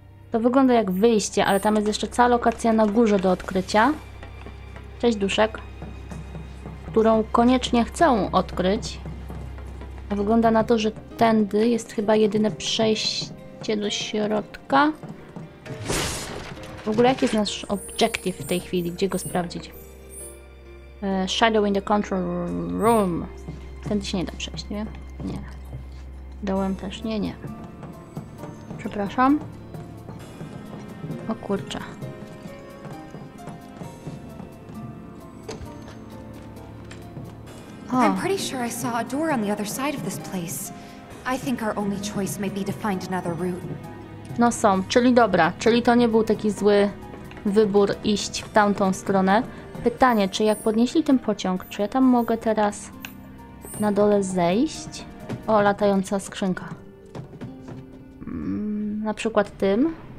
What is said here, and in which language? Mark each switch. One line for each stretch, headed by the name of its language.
Polish: To wygląda jak wyjście, ale tam jest jeszcze cała lokacja na górze do odkrycia. Cześć duszek. Którą koniecznie chcę odkryć. A wygląda na to, że tędy jest chyba jedyne przejście do środka. W ogóle jaki jest nasz objective w tej chwili? Gdzie go sprawdzić?
English: Shadow in the control room.
Polish: Tędy się nie da przejść, nie? Nie. Dołem też? Nie, nie. Przepraszam. O kurczę.
English: I'm pretty sure I saw a door on the other side of this place. I think our only choice may be to find another route.
Polish: No są, czyli dobra, czyli to nie był taki zły wybór iść w tamtą stronę. Pytanie, czy jak podnieśli ten pociąg, czy ja tam mogę teraz na dole zejść? O, latająca skrzynka. Na przykład tym.